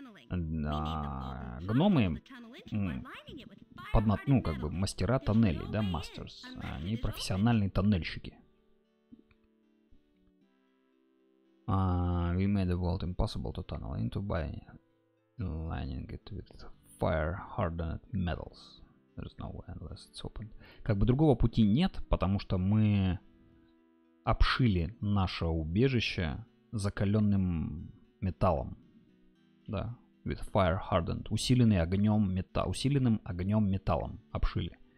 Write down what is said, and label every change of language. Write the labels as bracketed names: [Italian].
[Russian] Гномы, мастера тоннелей, да, мастерс. Они профессиональные тоннельщики. [English] We made the vault impossible to tunnel into by lining it with fire-hardened metals. There's no way unless it's open. [Russian] Как бы другого пути нет, потому что мы обшили наше убежище закаленным металлом. Да, [English] with fire-hardened. [Russian] Усиленным огнем металлом обшили.